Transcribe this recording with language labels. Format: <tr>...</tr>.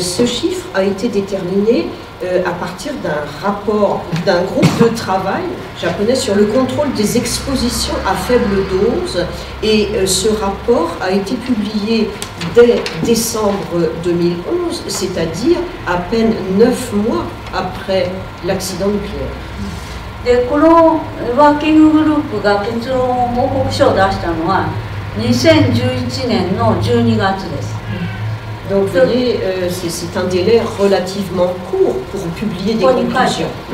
<fr>Ce chiffre a été déterminé à partir d'un rapport d'un groupe de travail japonais sur le contrôle des expositions à faible dose. Et ce rapport a été publié dès décembre 2011, c'est-à-dire à peine 9 mois après l'accident nucléaire.</fr> <ja>で、このワーキンググループが結論を報告書を出したのは2011年の12月です。</ja> <fr>Donc, vous voyez, c'est un délai relativement court pour publier des conclusions.</fr>